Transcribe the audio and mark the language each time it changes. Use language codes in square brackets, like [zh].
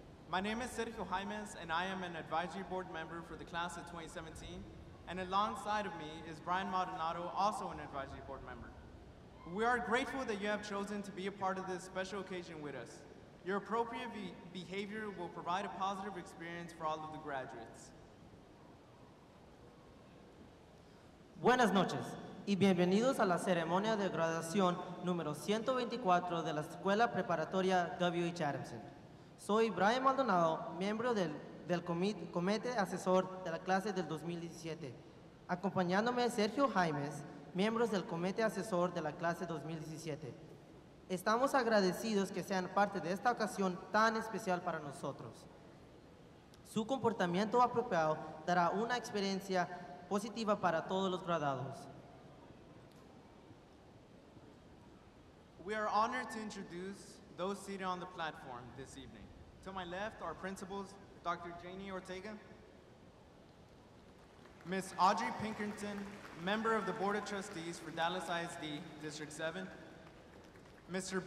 [en] My name is Sergio Jaimez, and I am an advisory board member for the class of 2017. And alongside of me is Brian Maldonado, also an advisory board member. We are grateful that you have chosen to be a part of this special occasion with us. Your appropriate behavior will provide a positive experience for all of the graduates. [es] Buenas noches y bienvenidos a la ceremonia de graduación número 124 de la Escuela Preparatoria W.H. Adamson. Soy Brian Maldonado, miembro del comité asesor de la clase del 2017. Acompañándome Sergio Jaimez, miembros del comité asesor de la clase 2017. Estamos agradecidos que sean parte de esta ocasión tan especial para nosotros. Su comportamiento apropiado dará una experiencia positiva para todos los graduados. [en] We are honored to introduce those seated on the platform this evening. To my left are principals Dr. Janie Ortega, Ms. Audrey Pinkerton, member of the Board of Trustees for Dallas ISD District 7, Mr.